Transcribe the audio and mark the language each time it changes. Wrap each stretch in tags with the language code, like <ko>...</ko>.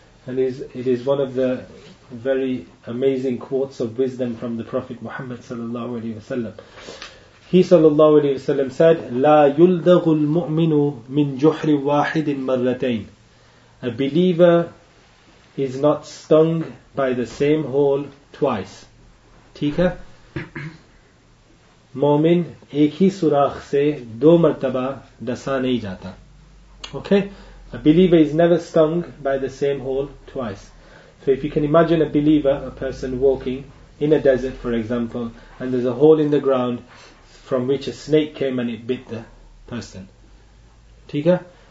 <en>And it is one of the very amazing quotes of wisdom from the Prophet Muhammad sallallahu alaihi wasallam. He sallallahu alaihi wasallam said,</en> <ar>"La yuldagu al-mu'minu min juhri wahidin marratayn."</ar> <en>A believer is not stung by the same hole twice.</en> <ur>Tika? مومن ایک ہی سوراخ سے دو مرتبہ ڈسا نہیں جاتا۔</ur> <en>Okay? A believer is never stung by the same hole twice. So if you can imagine a believer, a person walking in a desert, for example, and there's a hole in the ground from which a snake came and it bit the person.</en> <ur>Tika?</ur>